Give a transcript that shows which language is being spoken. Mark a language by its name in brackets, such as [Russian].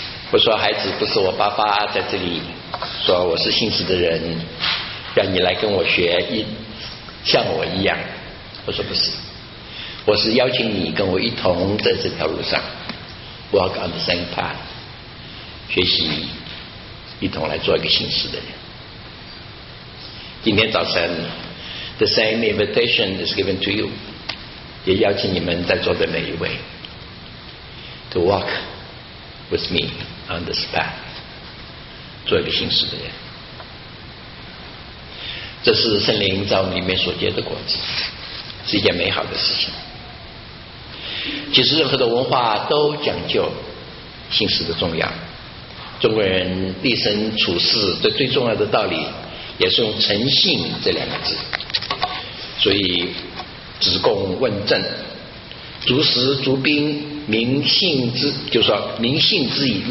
[Chinese] 我说孩子，不是我爸爸在这里说我是信实的人，让你来跟我学，像我一样。我说不是，我是邀请你跟我一同在这条路上 [English] walk on the same path， [Chinese] 学习一同来做一个信实的人。今天早晨 [English] The same invitation is given to you， [Chinese] 也邀请你们在座的每一位 [English] To walk with me on this path， [Chinese] 做一个信实的人。这是圣灵在我们里面所结的果子，是一件美好的事情。其实任何的文化都讲究信实的重要，中国人立身处世的最重要的道理也是用诚信这两个字，所以子贡问政，逐时逐兵，民信之，就说民信之矣。